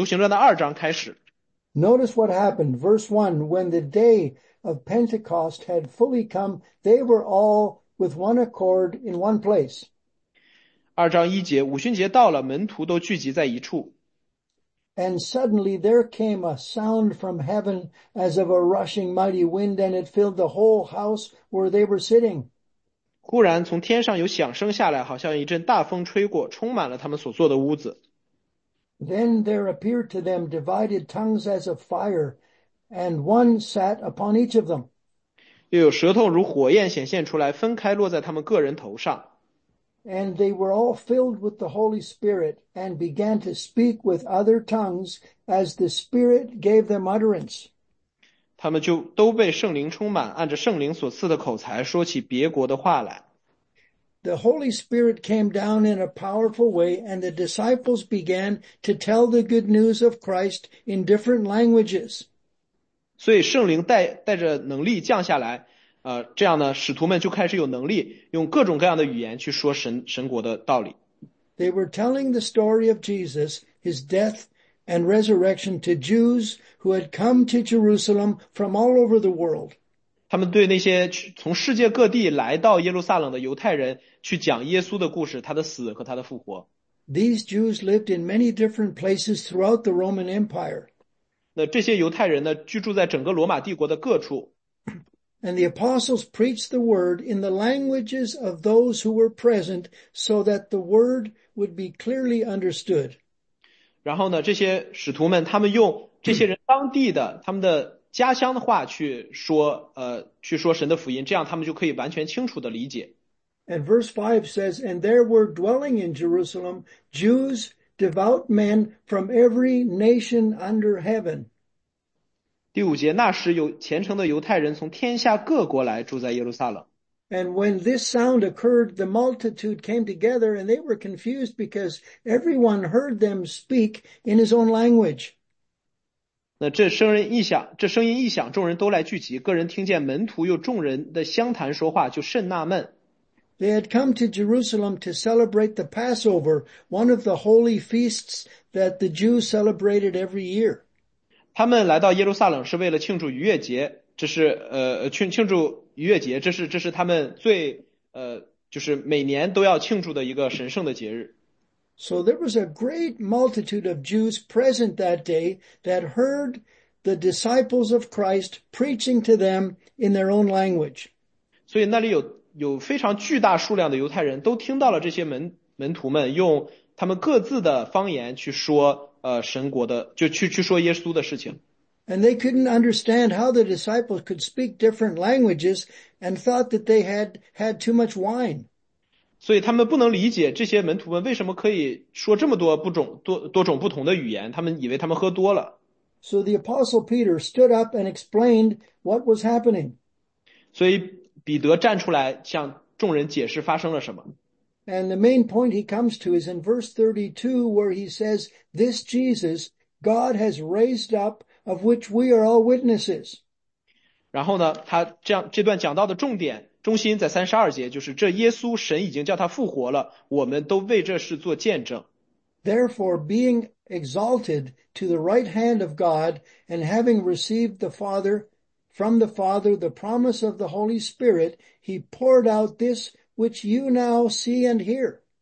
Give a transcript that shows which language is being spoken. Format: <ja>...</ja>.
<zh>就传讲神的福音，然后我们看一下，他在使徒行传的二章开始。</zh> <en>Notice what happened, verse 1, when the day of Pentecost had fully come, they were all with one accord in one place.</en> <zh>二章一节，五旬节到了，门徒都聚集在一处。</zh> <en>And suddenly there came a sound from heaven as of a rushing mighty wind, and it filled the whole house where they were sitting.</en> <zh>忽然从天上有响声下来，好像一阵大风吹过，充满了他们所坐的屋子。</zh> <en>Then there appeared to them divided tongues as of fire, and one sat upon each of them.</en> <zh>又有舌头如火焰显现出来，分开落在他们个人头上。</zh> <en>And they were all filled with the Holy Spirit and began to speak with other tongues as the Spirit gave them utterance.</en> <zh>他们就都被圣灵充满，按着圣灵所赐的口才说起别国的话来。</zh> <en>The Holy Spirit came down in a powerful way, and the disciples began to tell the good news of Christ in different languages.</en> <zh>所以圣灵带着能力降下来，这样呢，使徒们就开始有能力用各种各样的语言去说神国的道理。</zh> <en>They were telling the story of Jesus, his death and resurrection to Jews who had come to Jerusalem from all over the world.</en> <zh>他们对那些从世界各地来到耶路撒冷的犹太人去讲耶稣的故事，他的死和他的复活。</zh> <en>These Jews lived in many different places throughout the Roman Empire.</en> <zh>那这些犹太人呢，居住在整个罗马帝国的各处。</zh> <en>And the apostles preached the word in the languages of those who were present so that the word would be clearly understood.</en> <zh>然后呢，这些使徒们，他们用这些人当地的，他们的家乡的话去说神的福音，这样他们就可以完全清楚的理解。</zh> <en>And verse 5 says, And there were dwelling in Jerusalem Jews, devout men from every nation under heaven.</en> <zh>第五节，那时有虔诚的犹太人从天下各国来住在耶路撒冷。</zh> <en>And when this sound occurred, the multitude came together and they were confused because everyone heard them speak in his own language.</en> <zh>那这声音一响，众人都来聚集，个人听见门徒又众人的相谈说话，就甚纳闷。</zh> <en>They had come to Jerusalem to celebrate the Passover, one of the holy feasts that the Jews celebrated every year.</en> <zh>他们来到耶路撒冷是为了庆祝逾越节，这是庆祝逾越节，这是他们最就是每年都要庆祝的一个神圣的节日。</zh> <en>So there was a great multitude of Jews present that day that heard the disciples of Christ preaching to them in their own language.</en> <zh>所以那里有非常巨大数量的犹太人都听到了这些门徒们用他们各自的方言去说神国的，就去说耶稣的事情。</zh> <en>And they couldn't understand how the disciples could speak different languages and thought that they had too much wine.</en> <zh>所以他们不能理解这些门徒们为什么可以说这么多种不同的语言，他们以为他们喝多了。</zh> <en>So the apostle Peter stood up and explained what was happening.</en> <zh>所以彼得站出来向众人解释发生了什么。</zh> <en>And the main point he comes to is in verse 32 where he says, This Jesus God has raised up of which we are all witnesses.</en> <zh>然后呢，他这段讲到的重点，中心在32节，就是这耶稣神已经叫他复活了，我们都为这事做见证。</zh> <en>Therefore being exalted to the right hand of God and having received the Father from the Father the promise of the Holy Spirit, he poured out this which you now see and hear.</en>